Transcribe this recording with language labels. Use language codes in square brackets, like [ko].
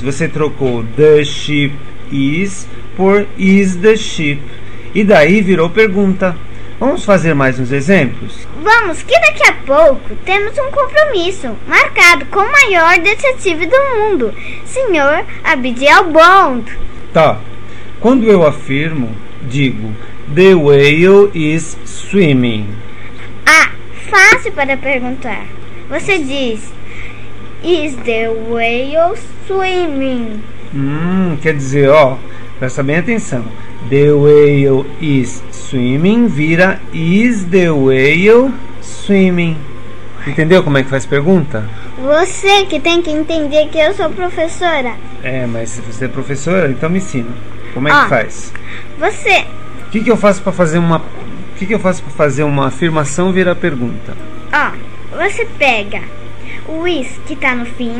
[pt] Você trocou [en] the ship is [pt] por [en] is the ship. [pt] E daí virou pergunta. Vamos fazer mais uns exemplos? Vamos, que daqui a pouco temos um compromisso marcado com o maior detetive do mundo, Sr. Abigail Bond. Tá. Quando eu afirmo, digo, [en] the whale is swimming. [pt] Ah, fácil para perguntar. Você diz, [en] is the whale swimming? [pt] Quer dizer, ó, presta bem atenção. [en] The whale is swimming [pt] vira [en] is the whale swimming. [pt] Entendeu como é que faz pergunta? Você que tem que entender que eu sou professora. É, mas se você é professora, então me ensina. Como é que faz? Você. O que eu faço para fazer uma afirmação virar pergunta? Ó, você pega o is que tá no fim.